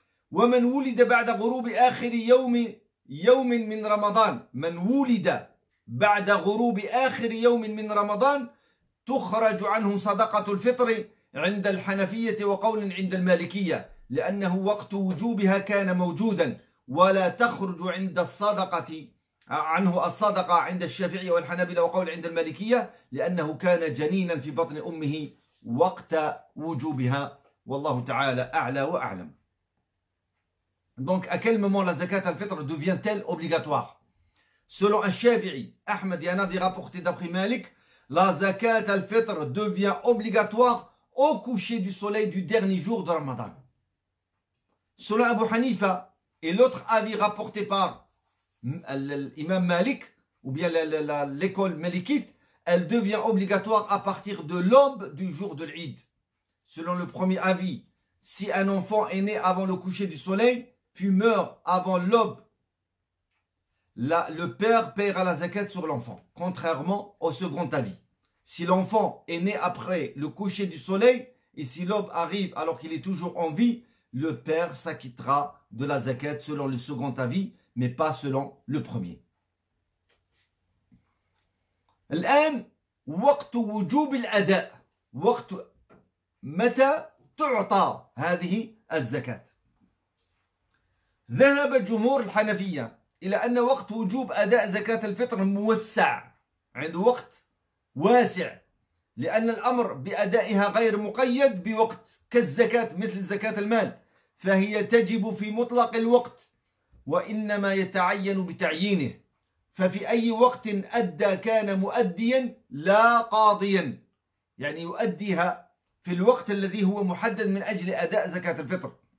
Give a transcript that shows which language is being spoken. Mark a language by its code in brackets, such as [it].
[ar] ومن ولد بعد غروب آخر يوم من رمضان من ولد بعد غروب آخر يوم من رمضان تخرج عنه صدقة الفطر عند الحنفية وقول عند المالكية لأنه وقت وجوبها كان موجودا ولا تخرج عند الصدقة عنه الصدقة عند الشافعية والحنابلة وقول عند المالكية لأنه كان جنينا في بطن أمه وقت وجوبها والله تعالى أعلى وأعلم. [fr] Donc à quel moment la zakat al-fitr devient-elle obligatoire? Selon un Shafi'i, Ahmed et un avis rapporté d'après Malik, la zakat al-fitr devient obligatoire au coucher du soleil du dernier jour de Ramadan. Selon Abu Hanifa et l'autre avis rapporté par l'imam Malik ou bien l'école malikite, elle devient obligatoire à partir de l'aube du jour de l'Eid. Selon le premier avis, si un enfant est né avant le coucher du soleil, puis meurt avant l'aube, le père paiera la zakat sur l'enfant, contrairement au second avis. Si l'enfant est né après le coucher du soleil et si l'aube arrive alors qu'il est toujours en vie, le père s'acquittera de la zakat selon le second avis, mais pas selon le premier. [ar] الآن وقت وجوب الأداء وقت متى تعطى هذه الزكاة. ذهب جمهور الحنفية إلى أن وقت وجوب أداء زكاة الفطر موسع عند وقت واسع، لأن الأمر بأدائها غير مقيد بوقت كالزكاة مثل زكاة المال، فهي تجب في مطلق الوقت وإنما يتعين بتعيينه، ففي أي وقت أدى كان مؤديا لا قاضيا، يعني يؤديها في الوقت الذي هو محدد من أجل أداء زكاة الفطر،